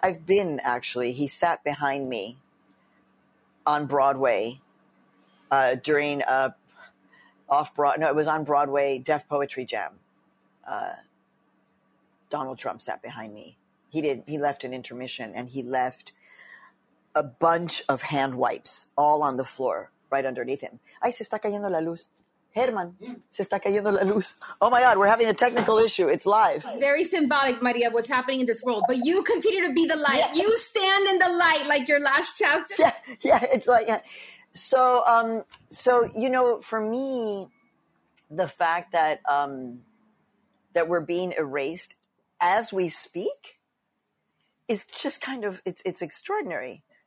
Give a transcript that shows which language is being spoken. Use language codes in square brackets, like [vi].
[en] I've been, actually. He sat behind me on Broadway during a off-Broadway. No, it was on Broadway, Deaf Poetry Jam. Donald Trump sat behind me. He didn't. He left an intermission, and he left a bunch of hand wipes all on the floor right underneath him. [es] Ay, se está cayendo la luz. Herman, se está cayendo la luz. [en] Oh my God, we're having a technical issue. It's live. It's very symbolic, Maria, what's happening in this world. But you continue to be the light. Yeah. You stand in the light like your last chapter. Yeah. So, you know, for me, the fact that that we're being erased as we speak is just kind of, it's extraordinary.